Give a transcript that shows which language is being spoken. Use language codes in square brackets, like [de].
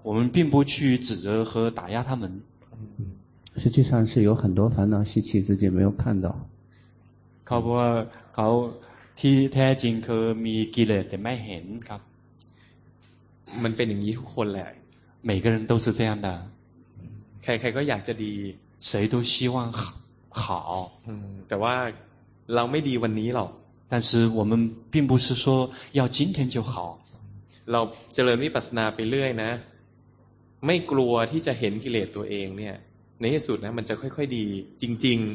[zh] 我们并不去指责和打压他们实际上是有很多烦恼习气自己没有看到 [th] เขาบอกว่าเขาที่แท้จริงคือมีกิเลสแต่ไม่เห็นครับ มันเป็นอย่างนี้ทุกคนแหละ [zh] 每个人都是这样的 [th] ใครๆก็อยากจะดี [zh] 谁都希望好 [th] แต่ว่าเราไม่ดีวันนี้หรอก [zh] 但是我们并不是说要今天就好 [th] เราเจริญวิปัสสนาไปเรื่อยนะไม่กลัวที่จะเห็นกิเลสตัวเองเนี่ยในที่สุดนะมันจะค่อยๆดีจริง